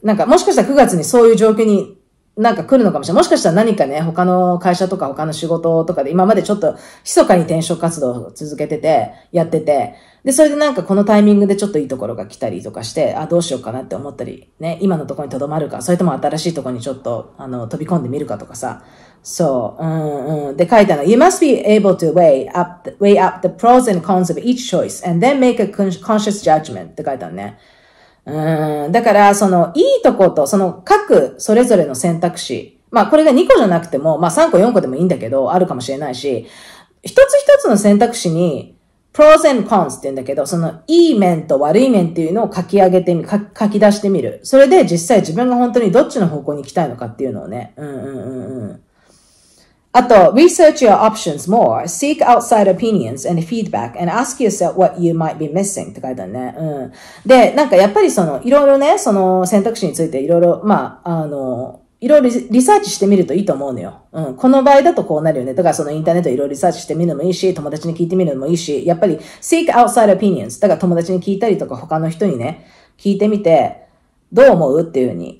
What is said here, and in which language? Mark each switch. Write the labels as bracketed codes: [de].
[ja] なんかもしかしたら9月にそういう状況になんか来るのかもしれない。もしかしたら何かね、他の会社とか他の仕事とかで今までちょっと密かに転職活動を続けてて、やってて。で、それでなんかこのタイミングでちょっといいところが来たりとかして、あ、どうしようかなって思ったり、ね、今のところに留まるか、それとも新しいところにちょっと、飛び込んでみるかとかさ。そう、うんうん。で、書いたの。 [en] You must be able to weigh up the pros and cons of each choice and then make a conscious judgment [ja] って書いたのね。だから、その、いいとこと、その、各、それぞれの選択肢。まあ、これが2個じゃなくても、まあ、3個、4個でもいいんだけど、あるかもしれないし、一つ一つの選択肢に、 [en] pros and cons [ja] って言うんだけど、その、いい面と悪い面っていうのを書き出してみる。それで、実際自分が本当にどっちの方向に行きたいのかっていうのをね。うんうんうんうん。 [en] あと、research your options more, seek outside opinions and feedback, and ask yourself what you might be missing [ja] って書いてあるね。うん。で、なんかやっぱりその、いろいろね、その選択肢についていろいろ、まあ、いろいろリサーチしてみるといいと思うのよ。うん。この場合だとこうなるよね。だからそのインターネットいろいろリサーチしてみるのもいいし、友達に聞いてみるのもいいし、やっぱり [en] seek outside opinions。 [ja] だから友達に聞いたりとか他の人にね、聞いてみて、どう思うっていうふうに。